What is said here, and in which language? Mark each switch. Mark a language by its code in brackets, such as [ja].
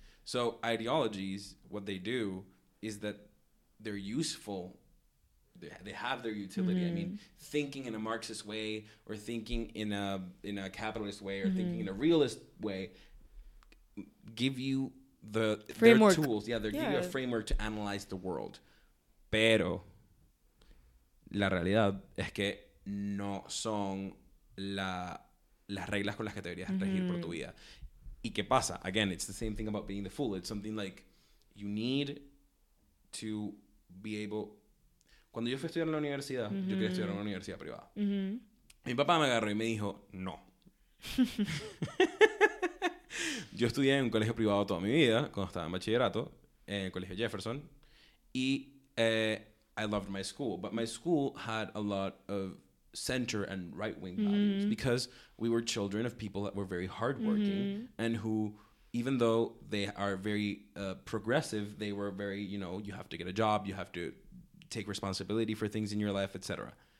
[en] So ideologies, what they do is that they're useful. They have their utility. Mm-hmm. I mean, thinking in a Marxist way or thinking in a capitalist way or thinking in a realist way give you the framework. Their tools. Yeah, they give you a framework to analyze the world. [es] Pero la realidad es que no son las reglas con las que deberías regir por tu vida. ¿Y qué pasa? [en] Again, it's the same thing about being the fool. It's something like you need to be able... [es] Cuando yo fui a estudiar en la universidad, yo quería estudiar en una universidad privada. Mi papá me agarró y me dijo, no. Yo estudié en un colegio privado toda mi vida, cuando estaba en bachillerato, en el colegio Jefferson. Y... [en] I loved my school, but my school had a lot of center and right-wing values because we were children of people that were very hardworking and who, even though they are very progressive, they were very, you know, you have to get a job, you have to take responsibility for things in your life, etc.